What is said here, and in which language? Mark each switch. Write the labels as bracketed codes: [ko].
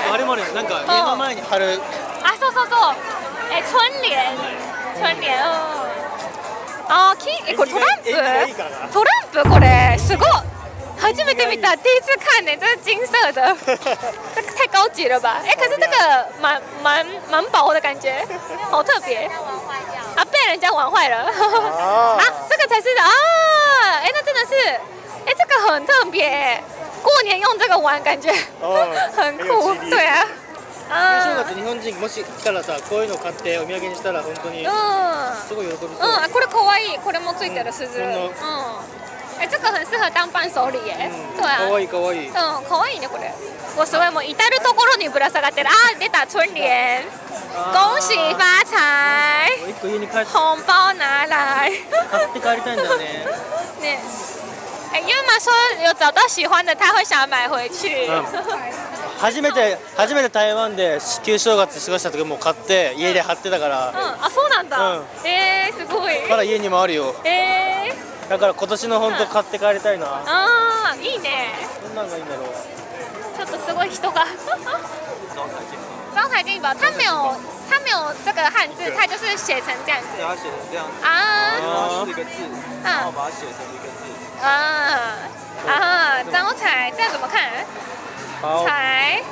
[ja] あれもね、なんか目の前に貼る。 [zh] 啊， [ja] そうそうそう。 [zh] 哎、欸，春联，春联哦。 [ja] あ、金、え、これトランプ？トランプこれ、すごい。初めて見た、 [zh] 第一次看ね、这是金色的。太高级了吧？え、可是这个蛮薄的感觉，好特别。啊，被人家玩坏了。啊，这个才是的啊！哎，那真的是，哎，这个很特别。过年用这个玩，感觉很酷，对啊。 [ja] 正月日本人もし来たらさ、こういうの買ってお土産にしたら本当にすごい喜びそう。うん、これ可愛い。これもついてる鈴。うん。 [zh] え、这个很适合当伴手礼耶。对啊。 [ja] 可愛い可愛い。うん、可愛いねこれ。我すごいもう至る所にぶら下がってる。あ、出た [zh] 春联。恭喜发财。 [ja] もう一個家に帰って。 [zh] 红包拿来。 [ja] 買って帰りたいんだね。ね。 [zh] 哎，ユマ说有找到喜欢的，他会想买回去。 [ja] 初めて台湾で旧正月過ごした時も買って家で貼ってたから、うん、あ、そうなんだ、うん、すごいから家にもあるよ、だから今年の本当買って帰りたいな、うん、あ、いいね、どんなのがいいんだろう、ちょっとすごい人が [zh] 招財进宝，他没有，他没有这个汉字，他就是写成这样子。对，他写成这样子。啊。然后四个字，然后把它写成一个字。啊啊！招财，这怎么看？财